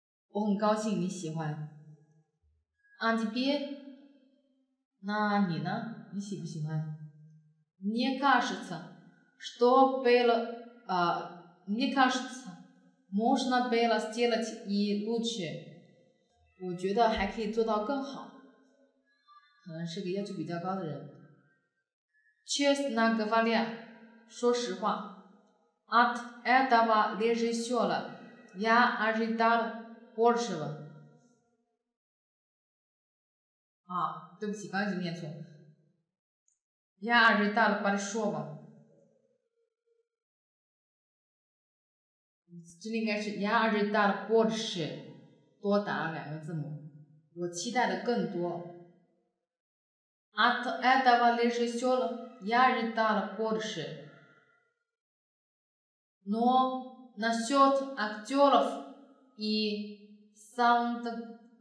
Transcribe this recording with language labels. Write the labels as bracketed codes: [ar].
[zh] 我很高兴你喜欢。 [ru] А тебе? [zh] 那你呢？你喜不喜欢？ [ru] Мне кажется, что было, мне кажется, можно было сделать и лучше. [zh] 我觉得还可以做到更好。可能是个要求比较高的人。 [ru] Честно говоря, [zh] 说实话 [ru] ,от этого режиссера я ожидал большего. [zh] 啊，对不起，刚才念错。 [ru] Я ожидал большого。 [zh] 这应该是 [ru] Я ожидал больше， [zh] 多打了两个字母。我期待的更多。 [ru] От этого режиссера я ожидал больше。 Но насчет актеров и sound。